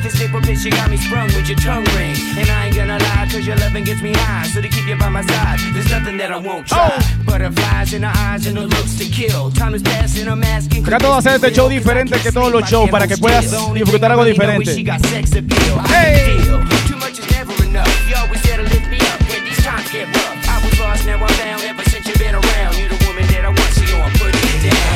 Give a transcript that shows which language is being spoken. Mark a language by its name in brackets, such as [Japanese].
[English] This April bitch, you got me sprung with your tongue ring. And I ain't gonna lie, cause your loving gets me high. So to keep you by my side, there's nothing that I won't try. Oh. Butterflies in her eyes and her looks to kill. Time is passing, I'm asking. [Spanish] Trato de hacer este show diferente que todos los shows, para que puedas disfrutar algo diferente. [English] She got sex appeal. Hey! Too much is never enough. You always there to lift me up when these times get rough. I was lost, now I'm found. Ever since you've been around, you're the woman that I want, so I'm putting it down.